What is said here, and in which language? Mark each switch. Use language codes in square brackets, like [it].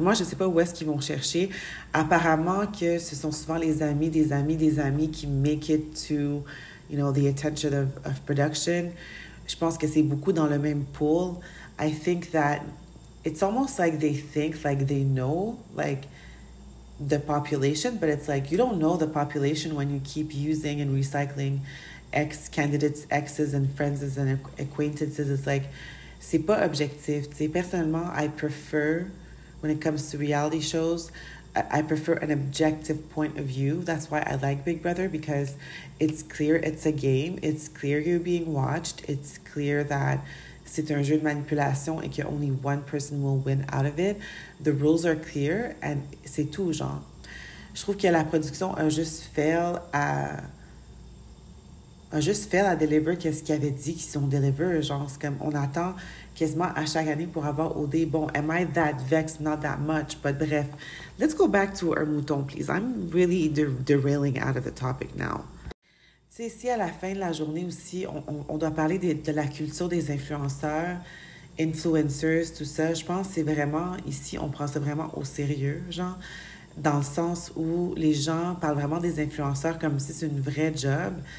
[fr] Moi, je sais pas où est-ce qu'ils vont chercher. Apparemment que ce sont souvent les amis des amis des amis qui [en] make it to, you know, the attention of production. [fr] Je pense que c'est beaucoup dans le même pool. [en] I think that it's almost like they think like they know like the population, but it's like you don't know the population when you keep using and recycling ex candidates, exes and friends and acquaintances. It's like [fr] c'est pas objectif. T'sais, personnellement, [en] I prefer, when it comes to reality shows, I prefer an objective point of view. That's why I like Big Brother, because it's clear it's a game. It's clear you're being watched. It's clear that [fr] c'est un jeu de manipulation et que [en] only one person will win out of it. The rules are clear and [fr] c'est tout, genre. Je trouve que la production a juste fail à deliver qu'est-ce qu'ils avaient dit qu'ils ont deliver. Genre, c'est comme, on attend quasiment à chaque année pour avoir OD. [en] Bon, am I that vexed? Not that much. But bref, let's go back to our mouton, please. I'm really derailing out of the topic now. [fr] Tu sais, si à la fin de la journée aussi, on doit parler de la culture des influenceurs, influencers, tout ça, je pense que c'est vraiment, ici, on prend ça vraiment au sérieux, genre, dans le sens où les gens parlent vraiment des influenceurs comme si c'est une vraie job.